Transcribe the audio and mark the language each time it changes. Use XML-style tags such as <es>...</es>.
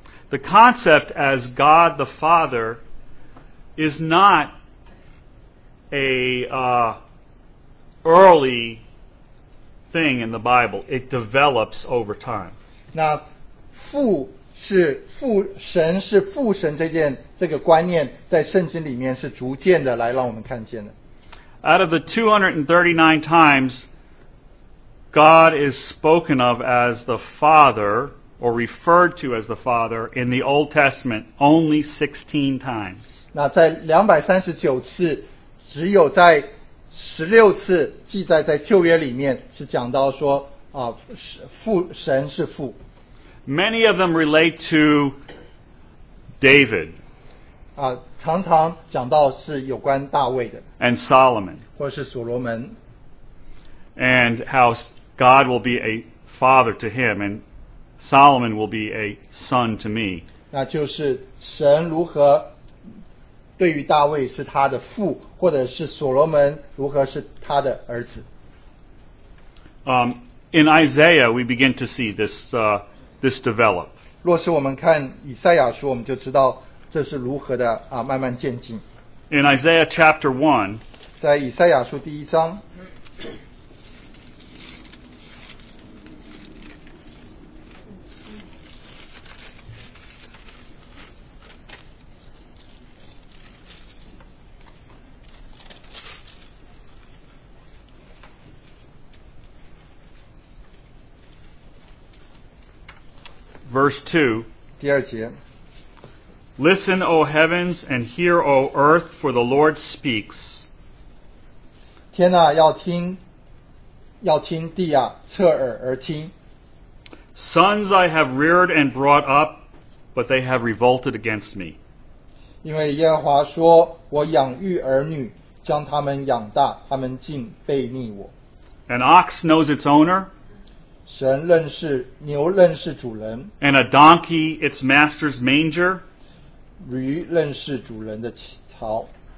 <en>The concept as God the Father is not a early thing in the Bible. It develops over time.</en> <zh>那父是父神是父神这个观念在圣经里面是逐渐的来让我们看见的。</zh> <en>Out of the 239 times God is spoken of as the Father or referred to as the Father in the Old Testament only 16 times.</en> <zh>那在239次只有在16次记载在旧约里面是讲到说父神是父。</zh> <en>Many of them relate to David.</en> <zh>常常讲到是有关大卫的。</zh> <en>And Solomon.</en> <zh>或是所罗门。</zh> <en>And how God will be a father to him, and Solomon will be a son to me.</en> <zh>那就是神如何对于大卫是他的父，或者是所罗门如何是他的儿子。</zh> <en>In Isaiah, we begin to see this. This develop.</en> <zh>若是我们看以赛亚书，我们就知道这是如何的慢慢渐进。</zh> <en>In Isaiah chapter 1,</en> <zh>在以赛亚书第一章</zh> <en>Verse 2,</en> <zh>第二节</zh> <en>Listen, O heavens, and hear, O earth, for the Lord speaks.</en> <zh>天啊，要听地啊，侧耳而听。</zh> <en>Sons I have reared and brought up, but they have revolted against me.</en> <zh>因为耶和华说，我养育儿女，将他们养大，他们竟背逆我。</zh> <en>An ox knows its owner.</en> <zh>神认识牛认识主人</zh> <en>and a donkey its master's manger</en> <zh>驴认识主人的槽</zh>